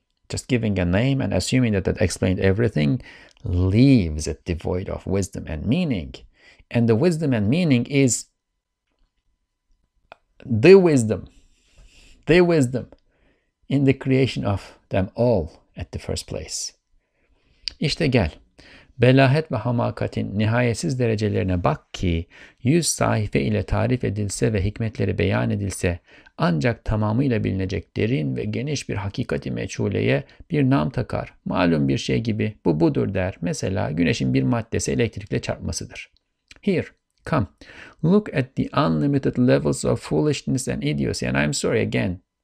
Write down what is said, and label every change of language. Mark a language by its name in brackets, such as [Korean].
[English] Just giving a name and assuming that explained everything leaves it devoid of wisdom and meaning. And the wisdom and meaning is the wisdom in the creation of them all at the first place. [Turkish] İşte gel. Belahet ve hamakatin nihayetsiz derecelerine bak ki 100 sayfa ile tarif edilse ve hikmetleri beyan edilse ancak tamamıyla bilinecek derin ve geniş bir hakikati meçhuleye bir nam takar. Malum bir şey gibi bu budur der. Mesela güneşin bir maddesi elektrikle çarpmasıdır. [English] Here, come, look at the unlimited levels of foolishness and idiocy. And I'm sorry again.